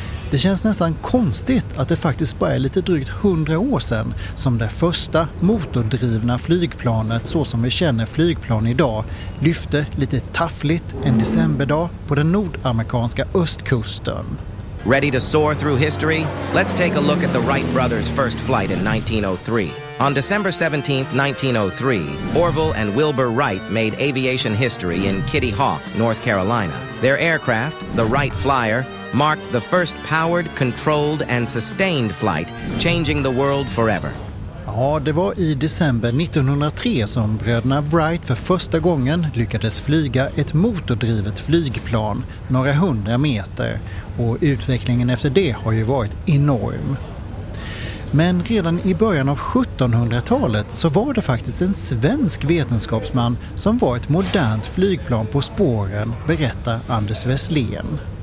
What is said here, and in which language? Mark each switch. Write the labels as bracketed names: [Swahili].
[Swedish] Det känns nästan konstigt att det faktiskt bara är lite drygt 100 år sedan som det första motordrivna flygplanet, så som vi känner flygplan idag, lyfte lite taffligt en decemberdag på den nordamerikanska östkusten. [English] Ready to soar through history? Let's take a look at the Wright brothers' first flight in 1903. On December 17th, 1903, Orville and Wilbur Wright made aviation history in Kitty Hawk, North Carolina. Their aircraft, the Wright Flyer, marked the first powered, controlled and sustained flight, changing the world forever. [Swedish] Ja, det var i december 1903 som bröderna Wright för första gången lyckades flyga ett motordrivet flygplan några hundra meter, och utvecklingen efter det har ju varit enorm. Men redan i början av 1700-talet så var det faktiskt en svensk vetenskapsman som var ett modernt flygplan på spåren, berättar Anders Wesslén.